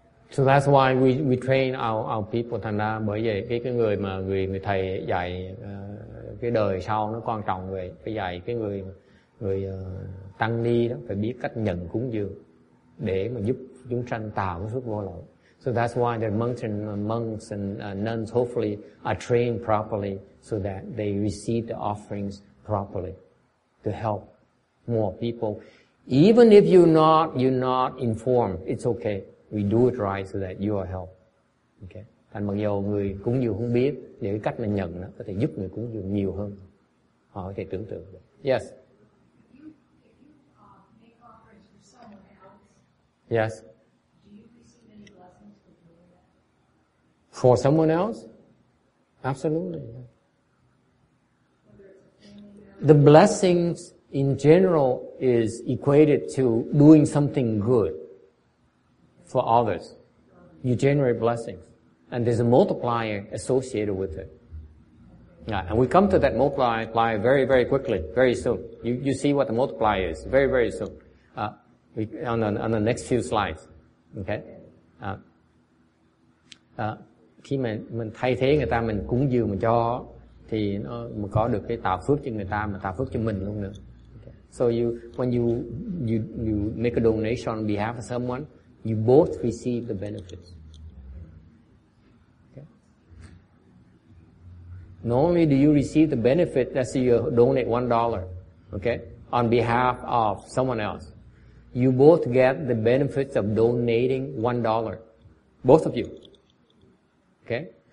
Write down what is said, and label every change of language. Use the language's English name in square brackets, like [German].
[English] So that's why we train our people, [Vietnamese] thành ra bởi vậy cái người mà người thầy dạy cái đời sau nó quan trọng về cái dạy cái người tăng ni đó phải biết cách nhận cúng dường để mà giúp chúng sanh tạo cái phước vô lậu. [English] So that's why the monks and nuns hopefully are trained properly so that they receive the offerings properly to help more people. Even if you're not informed, it's okay. We do it right so that you are helped. Okay. [Vietnamese] Thành mặc dù người cúng dường không biết, những cái cách mà nhận nó có thể giúp người cúng dường nhiều hơn. Họ có thể tưởng tượng được. [English] Yes. Yes. For someone else? Absolutely. The blessings in general is equated to doing something good for others. You generate blessings. And there's a multiplier associated with it. Yeah, and we come to that multiplier very, very quickly, very soon. You see what the multiplier is very, very soon. On the next few slides. Okay? [Vietnamese] Khi mình thay thế người ta, mình cúng dường mình cho, thì nó mình có được cái tạo phước cho người ta mà tạo phước cho mình luôn nữa. [English] Okay. So when you make a donation on behalf of someone, you both receive the benefits. Okay. Not only do you receive the benefit, let's say you donate $1, okay, on behalf of someone else, you both get the benefits of donating $1, both of you. Okay?